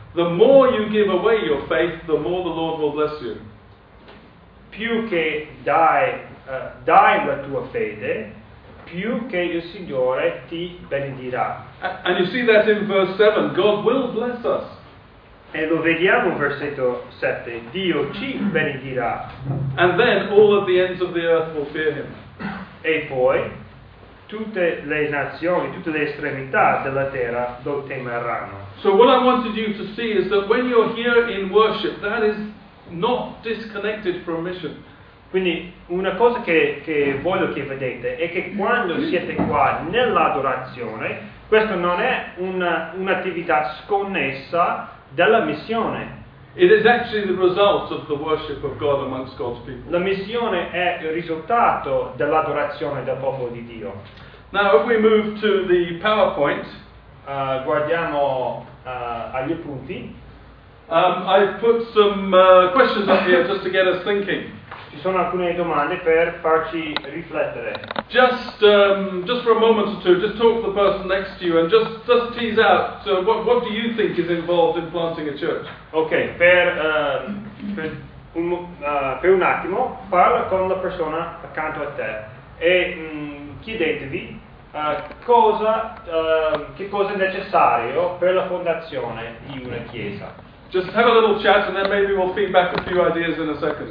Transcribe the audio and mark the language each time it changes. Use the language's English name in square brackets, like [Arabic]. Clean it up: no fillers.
[English] The more you give away your faith, the more the Lord will bless you. [Italian] Più che dai la tua fede, più che il Signore ti benedirà. [English] And you see that in verse 7. God will bless us. [Italian] E lo vediamo in versetto 7. Dio ci benedirà. [English] And then all of the ends of the earth will fear him. [Italian] E poi tutte le nazioni, tutte le estremità della terra lo temeranno. [English] So what I wanted you to see is that when you're here in worship, that is not disconnected from mission. [Italian] Quindi una cosa che voglio che vedete è che quando siete qua nell'adorazione, questo non è un'attività sconnessa della missione. [English] It is actually the result of the worship of God amongst God's people. [Italian] La missione è il risultato dell'adorazione del popolo di Dio. [English] Now if we move to the PowerPoint, [Italian] guardiamo agli appunti. [English] I've put some questions up here just to get us thinking. [Italian] Ci sono alcune domande per farci riflettere. [English] Just for a moment or two, just talk to the person next to you and just tease out what do you think is involved in planting a church? [Italian] Okay, per un attimo, parla con la persona accanto a te e chiedetevi che cosa è necessario per la fondazione di una chiesa. [English] Just have a little chat and then maybe we'll feedback a few ideas in a second.